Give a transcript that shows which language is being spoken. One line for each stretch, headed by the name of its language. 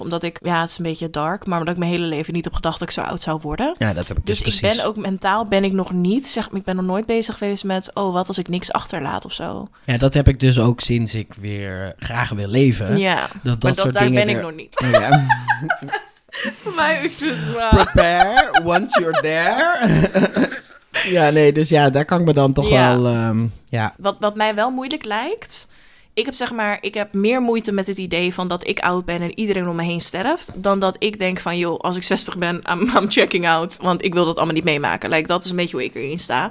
Dutch: Omdat ik, ja, het is een beetje dark. Maar omdat ik mijn hele leven niet heb gedacht dat ik zo oud zou worden. Ja, dat heb ik dus precies. Dus ik ben ook mentaal, ben ik nog niet, zeg maar, ik ben nog nooit bezig geweest met, oh, wat als ik niks achterlaat of zo. Ja, dat heb ik dus ook sinds ik weer graag wil leven. Ja, dat soort daar dingen ben weer ik nog niet. Ja. Voor mij, ik vind het raar.
English: Prepare, once you're there.
Dutch: Ja, nee, dus ja, daar kan ik me dan toch wel. Wat mij wel moeilijk lijkt. Ik heb zeg maar, ik heb meer moeite met het idee van dat ik oud ben en iedereen om me heen sterft. Dan dat ik denk van, joh, als ik 60 ben,
English: I'm checking out.
Dutch: Want ik wil dat allemaal niet meemaken. Like, dat is een beetje hoe ik erin sta.